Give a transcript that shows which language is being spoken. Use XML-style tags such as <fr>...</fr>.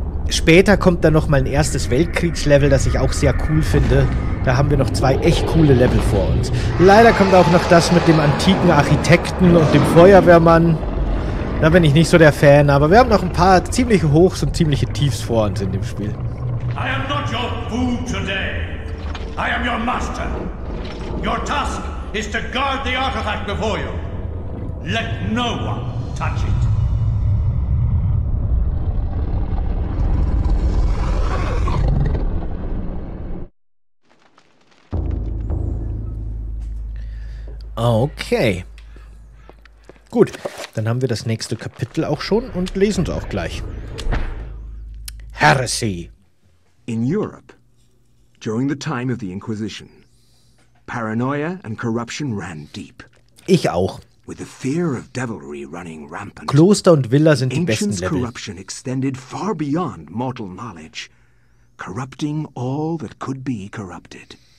<de>Später kommt dann nochmal ein erstes Weltkriegslevel, das ich auch sehr cool finde. Da haben wir noch zwei echt coole Level vor uns. Leider kommt auch noch das mit dem antiken Architekten und dem Feuerwehrmann. Da bin ich nicht so der Fan, aber wir haben noch ein paar ziemliche Hochs und ziemliche Tiefs vor uns in dem Spiel.</de> <en>I am not your food today. I am your master. Your task is to guard the artifact before you. Let no one touch it. Okay.</en> <de>Gut, dann haben wir das nächste Kapitel auch schon und lesen es auch gleich.</de> <en>Heresy. In Europe, during the time of the Inquisition, paranoia and corruption ran deep.</en> <de>Ich auch.</de> <en>With the fear of devilry running rampant.</en> <de>Kloster und Villa sind die besten Level.</de> <en>Corruption extended far beyond mortal knowledge, corrupting all that could be corrupted.</en>